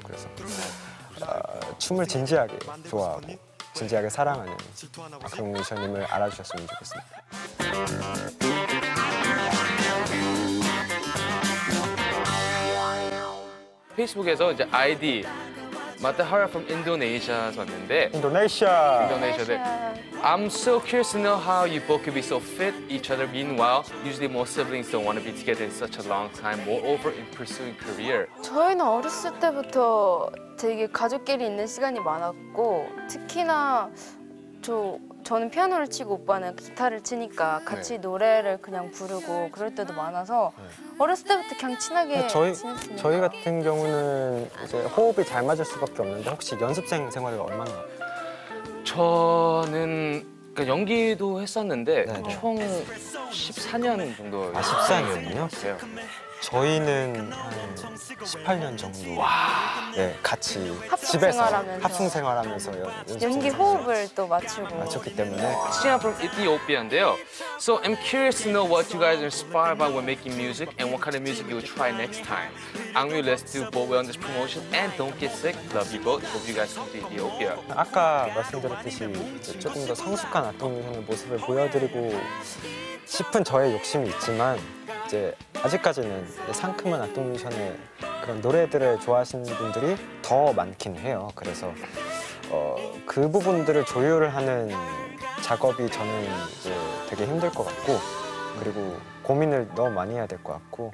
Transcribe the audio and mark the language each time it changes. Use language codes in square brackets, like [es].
[ko] 그래서 춤을 진지하게 좋아하고 진지하게 사랑하는 그런 뮤지션님을 알아주셨으면 좋겠습니다. 페이스북에서 이제 아이디 마테하라 from 인도네시아에서 왔는데 인도네시아 [en] I'm so curious to know how you both could be so fit each other. Meanwhile, usually most siblings don't want to be together in such a long time. Moreover, in pursuing career. [ko] 저희는 어렸을 때부터 되게 가족끼리 있는 시간이 많았고 특히나 저는 피아노를 치고 오빠는 기타를 치니까 같이 네. 노래를 그냥 부르고 그럴 때도 많아서 네. 어렸을 때부터 그냥 친하게 지냈습니다. 저희 같은 경우는 이제 호흡이 잘 맞을 수밖에 없는데 혹시 연습생 생활이 얼마나 저는 그러니까 연기도 했었는데 네네. 총 14년 정도 14년이요? 저희는 18년 정도 와. 네, 같이 집에서 합숙 생활하면서 연기 호흡을 또 맞추고 맞췄기 때문에 [en] Singing from Ethiopia인데요 So I'm curious to know what you guys are inspired by when making music and what kind of music you will try next time I'm really let's do both well on this promotion and don't get sick Love you both Hope you guys come to Ethiopia [ko] 아까 말씀드렸듯이 조금 더 성숙한 아동의 모습을 보여드리고 싶은 저의 욕심이 있지만 이제 아직까지는 상큼한 악동뮤지션의 그런 노래들을 좋아하시는 분들이 더 많긴 해요. 그래서 그 부분들을 조율을 하는 작업이 저는 이제 되게 힘들 것 같고 그리고 고민을 너무 많이 해야 될 것 같고